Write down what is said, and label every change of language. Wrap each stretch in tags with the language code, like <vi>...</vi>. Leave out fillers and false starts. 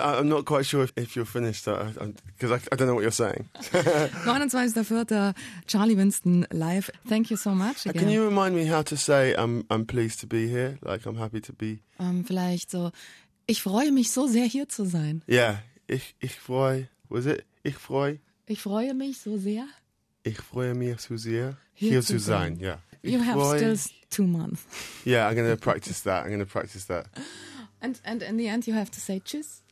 <en>I'm not quite sure if you're finished, because I don't know what you're saying. 29.04. Charlie Winston live. Thank you so much. Again. Can you remind me how to say I'm pleased to be here? Like I'm happy to be.</en> <de>Vielleicht so. Ich freue mich so sehr hier zu sein.</de> <en>Yeah.</en> <de>Ich freue.</de> <en>Was it?</en> <de>Ich freue mich so sehr. Ich freue mich so sehr hier zu sein.</de> <en>Yeah. You have still 2 months. Yeah, I'm going to practice that. And in the end, you have to say tschüss.</en>